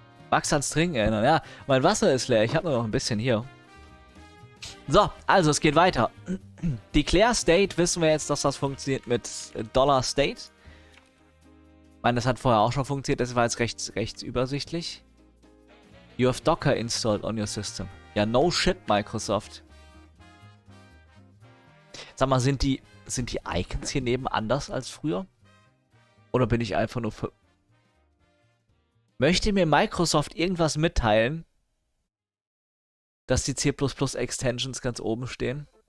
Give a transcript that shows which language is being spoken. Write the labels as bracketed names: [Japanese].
[German] Max ans Trinken erinnern. Ja, mein Wasser ist leer. Ich habe nur noch ein bisschen hier. So, also es geht weiter. Declare State, wissen wir jetzt, dass das funktioniert mit $State. Ich meine, das hat vorher auch schon funktioniert. Das war jetzt recht übersichtlich. [English] You have Docker installed on your system. Ja, no shit, Microsoft. [German] Sag mal, sind die Icons hier neben anders als früher? Oder bin ich einfach nur für... Möchte mir Microsoft irgendwas mitteilen, dass die C++-Extensions ganz oben stehen?